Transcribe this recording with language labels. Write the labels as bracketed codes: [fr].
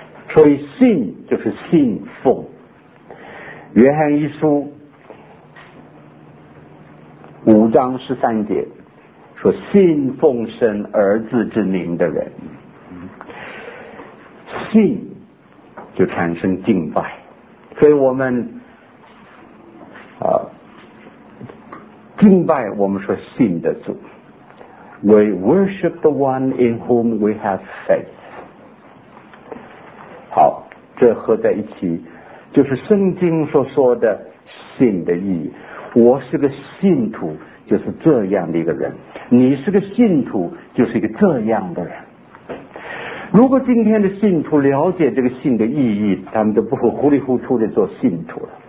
[zh] 所以信就是信奉。约翰一书五章十三节说，信奉神儿子之名的人，信就产生敬拜。所以我们敬拜我们说信的主。 [en] We worship the one in whom we have faith。 [zh] 好，这合在一起就是圣经所说的信的意义。我是个信徒就是这样的一个人，你是个信徒就是一个这样的人。如果今天的信徒了解这个信的意义，他们就不会糊里糊涂的做信徒了。